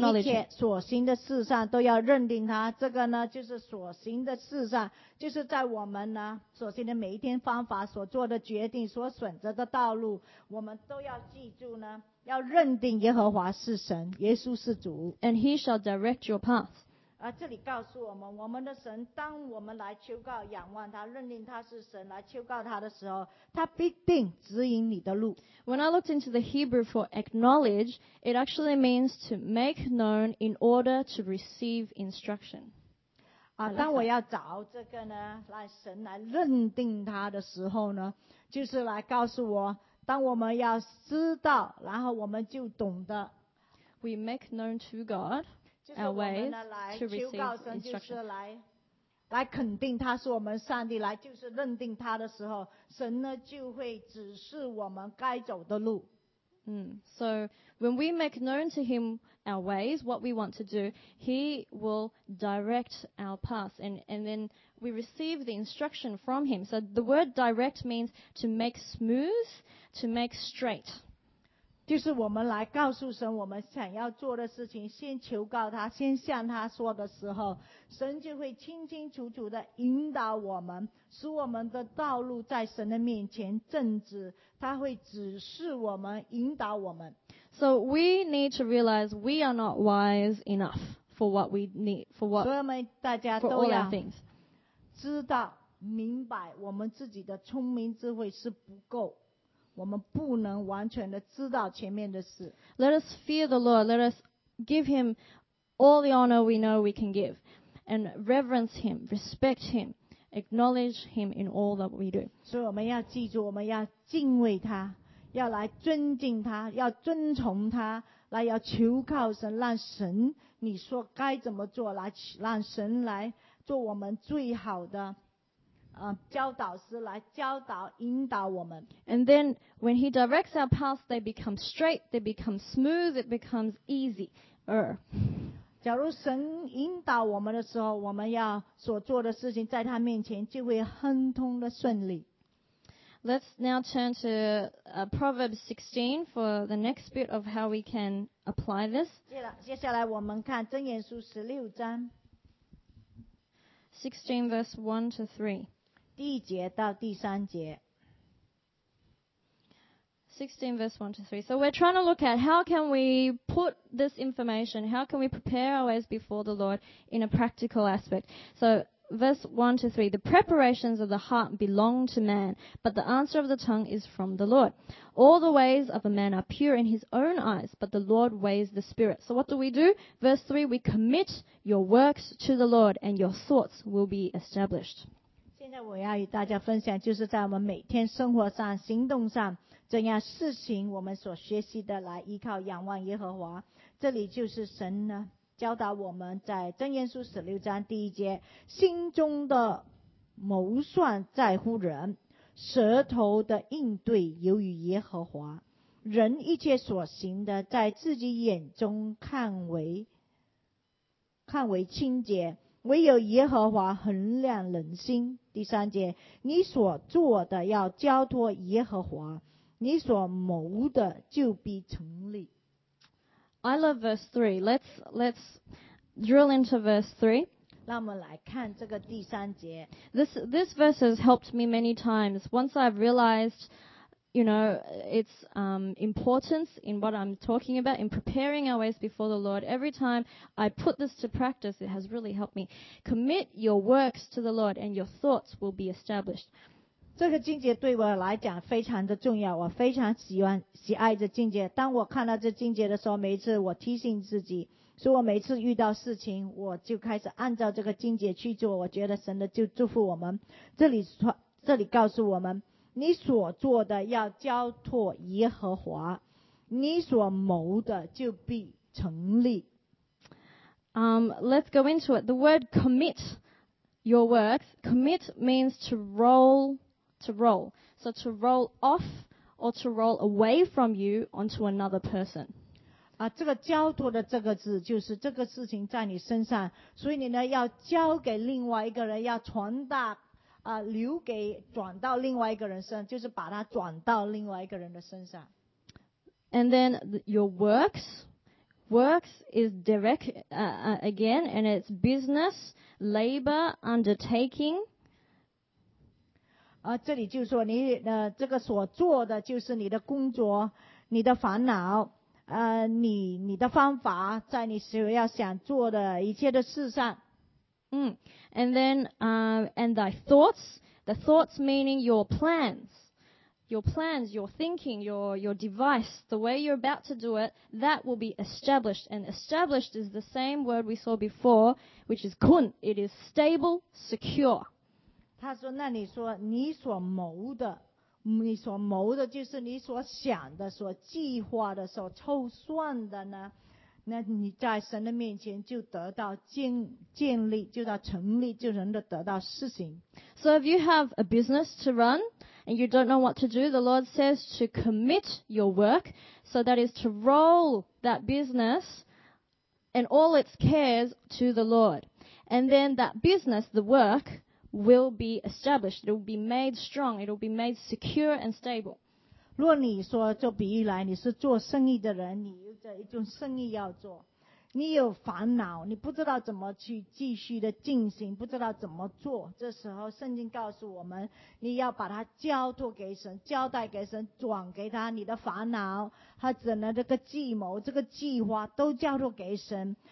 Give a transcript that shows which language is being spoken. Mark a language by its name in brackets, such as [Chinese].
[Chinese] 在你一切所行的事上都要认定他。这个呢就是所行的事上，就是在我们呢所行的每一天方法所做的决定所选择的道路，我们都要记住呢。要认定耶和华是神，耶稣是主。 [English] And he shall direct your path. [Chinese] 这里告诉我们，我们的神，当我们来求告、仰望他、认定他是神、来求告他的时候，他必定指引你的路。 [English] When I looked into the Hebrew for acknowledge, it actually means to make known in order to receive instruction. [Chinese] 当我要找这个呢，来神来认定他的时候呢，就是来告诉我。当我们要知道，然后我们就懂得。 [English] We make known to God our ways to receive instruction. [Chinese] 来肯定他是我们上帝，来就是认定他的时候，神呢就会指示我们该走的路。 [English] So when we make known to him our ways, what we want to do, he will direct our paths, and then we receive the instruction from him. So the word direct means to make smooth, to make straight. [Chinese] 就是我们来告诉神我们想要做的事情，先求告他，先向他说的时候，神就会清清楚楚地引导我们，使我们的道路在神的面前正直，他会指示我们，引导我们。 [English] So we need to realize we are not wise enough for what we need, for what, [Chinese] 所以我们大家都要 [English] for all our things. [Chinese] 知道明白我们自己的聪明智慧是不够，我们不能完全的知道前面的事。 [English] Let us fear the Lord. Let us give him all the honor we know we can give. And reverence him, respect him, acknowledge him in all that we do. [Chinese] 所以我们要记住，我们要敬畏他，要来尊敬他，要遵从他，来要求靠神，让神你说该怎么做，来让神来做我们最好的。教导师来教导引导我们。 [English] And then when he directs our paths, they become straight, they become smooth, it becomes easier. [Chinese] 假如神引导我们的时候，我们要所做的事情在他面前就会亨通的顺利。 [English] Let's now turn to Proverbs 16 for the next bit of how we can apply this. [Chinese] 接下来我们看箴言书十六章。 [English] 16 verse 1 to 3. [Chinese] 第一节到第三节。 [English] 16 verse 1 to 3. So we're trying to look at how can we put this information, how can we prepare our ways before the Lord in a practical aspect. So verse 1 to 3, the preparations of the heart belong to man, but the answer of the tongue is from the Lord. All the ways of a man are pure in his own eyes, but the Lord weighs the spirit. So what do we do? Verse 3, we commit your works to the Lord, and your thoughts will be established. [Chinese] 现在我要与大家分享，就是在我们每天生活上、行动上，怎样事情我们所学习的来依靠、仰望耶和华。这里就是神呢教导我们在箴言书十六章第一节，心中的谋算在乎人，舌头的应对由于耶和华。人一切所行的，在自己眼中看为清洁，唯有耶和华衡量人心。第三节，你所做的要交托耶和华，你所谋的就必成立。 [English] I love verse 3. Let's drill into verse 3. [Chinese] 让我们来看这个第三节。 [English] This verse has helped me many times. Once I've realized, you know, its importance in what I'm talking about, in preparing our ways before the Lord, every time I put this to practice, it has really helped me. Commit your works to the Lord and your thoughts will be established. [Chinese] 这个经节对我来讲非常的重要，我非常喜爱这经节。当我看到这经节的时候，每一次我提醒自己，所以我每次遇到事情，我就开始按照这个经节去做。我觉得神的就祝福我们。这里告诉我们，你所做的要交托耶和华，你所谋的就必成立。 [English] Let's go into it. The word commit your works. Commit means to roll. To roll. So to roll off or to roll away from you onto another person. [Chinese] 啊，这个交托的这个字就是这个事情在你身上，所以你呢要交给另外一个人，要传达啊，留给转到另外一个人身上，就是把它转到另外一个人的身上。 [English] And then your works. Works is direct, again, and it's business, labor, undertaking. [Chinese] 这里就说你的这个所做的就是你的工作，你的烦恼，你的方法，在你所要想做的一切的事上。 [English] And then, and thy thoughts, the thoughts meaning your plans, your thinking, your device, the way you're about to do it, that will be established. And established is the same word we saw before, which is kun. It is stable, secure. [Chinese] 他说那你说你所谋的，你所谋的就是你所想的，所计划的，所抽算的呢，那你在神的面前就得到 建立，就到成立，就能得到施行。 [English] So if you have a business to run and you don't know what to do, the Lord says to commit your work, so that is to roll that business and all its cares to the Lord. And then that business, the workwill be established, it will be made strong, it will be made secure and stable. [Chinese] 如果你说做比喻来，你是做生意的人，你有这一种生意要做，你有烦恼，你不知道怎么去继续的进行，不知道怎么做，这时候圣经告诉我们，你要把它交托给神，交代给神，转给他，你的烦恼，他只能这个计谋，这个计划都交托给神，